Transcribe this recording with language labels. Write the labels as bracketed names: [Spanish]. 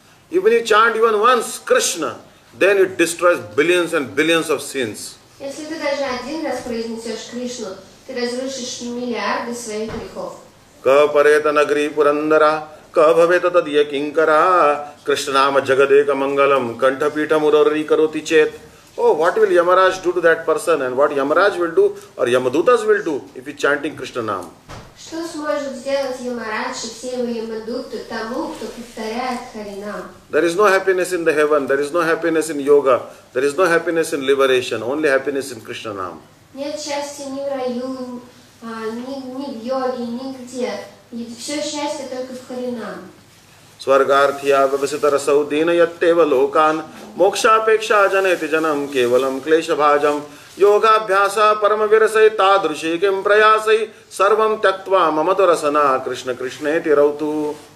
[English] If you chant even once Krishna, then it destroys billions and billions of sins. [Russian] Если ты даже один раз произнесешь Кришну, ты разрушишь миллиарды своих грехов. [Sanskrit] Ка парета нагри пурандара, ка бхавета тадья кинкара, Кришнама джагадека мангалам, кантхапитам урарри каруты чет. [English] Oh, what will Yamaraj do to that person? And what Yamaraj will do, or Yamadutas will do, if he's chanting Кришнанам? [Russian] Что сможет сделать Yamaraj и все его Yamaduты тому, кто повторяет Харинам? [English] There is no happiness in the heaven, there is no happiness in yoga, there is no happiness in liberation, only happiness in Кришнанам. [Russian] Нет счастья ни в раю, ни в йоге, нигде. И все счастье только в Харинам. [Sanskrit] Сваргартхия вивасита саудина яттева локан мокша апекша джанети джанам кевалам клеша бхаджам йога абхьяса парамавирасай тадруши ким праясай сарвам тяктва мамато расана Кришна Кришнети рауту.